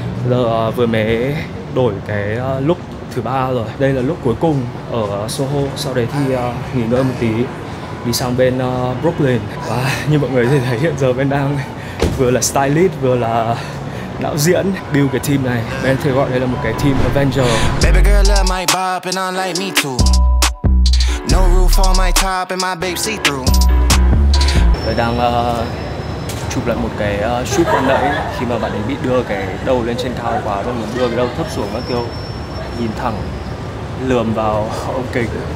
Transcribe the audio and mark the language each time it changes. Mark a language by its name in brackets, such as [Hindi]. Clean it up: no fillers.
[Vietnamese] Giờ vừa mới đổi cái look thứ ba rồi. Đây là look cuối cùng ở Soho, sau đấy thì nghỉ ngơi một tí, đi sang bên Brooklyn. Và như mọi người có thể thấy, hiện giờ Ben đang vừa là stylist vừa là đạo diễn build cái team này. Ben thường gọi đây là một cái team Avenger. [English] Baby girl love my bop and I like me too. No roof on my top and my babe see through. [Vietnamese] Đang chụp lại một cái shoot ban nãy, khi mà bạn ấy bị đưa cái đầu lên trên cao quá, rồi muốn đưa cái đầu thấp xuống, nó kêu nhìn thẳng lườm vào ông kịch.